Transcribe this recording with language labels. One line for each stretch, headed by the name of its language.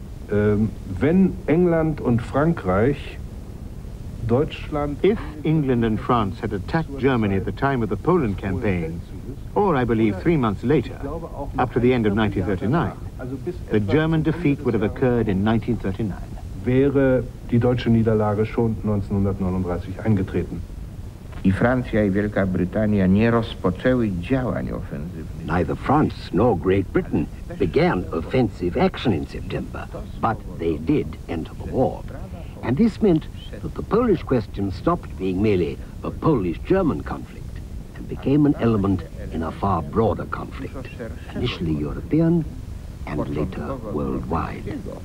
German: Wenn England und Frankreich Deutschland.
English: If England and France had attacked Germany at the time of the Poland campaign, or I believe 3 months later, up to the end of 1939, the German defeat would have occurred in 1939.
German: Wäre die deutsche Niederlage schon 1939 eingetreten.
Polish: I Francja i Wielka Brytania nie rozpoczęły działań ofensywnych.
English: Neither France nor Great Britain began offensive action in September, but they did enter the war. And this meant that the Polish question stopped being merely a Polish-German conflict and became an element in a far broader conflict, initially European and later worldwide.